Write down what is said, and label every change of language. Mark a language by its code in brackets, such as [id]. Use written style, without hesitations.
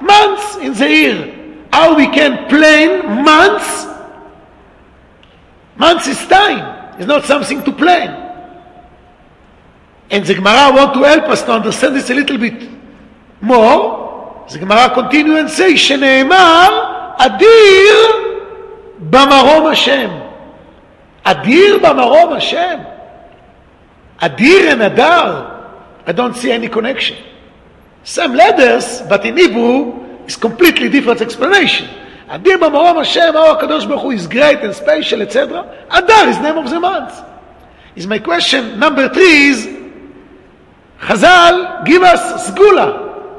[en] Months in the year. How we can plan months? Months is time. It's not something to plan. And the Gemara want to help us to understand this a little bit more. The Gemara continue and say, [he] שנאמר אדיר במרום השם. אדיר במרום השם. אדיר אין אדר. [en] I don't see any connection. Same letters, but in Hebrew, it's completely different explanation. [he] Adim Amorom Hashem, [en] our Kadosh Baruch Hu is great and special, etc. Adar is name of the month. Is my question number three is, Chazal, give us Sgula.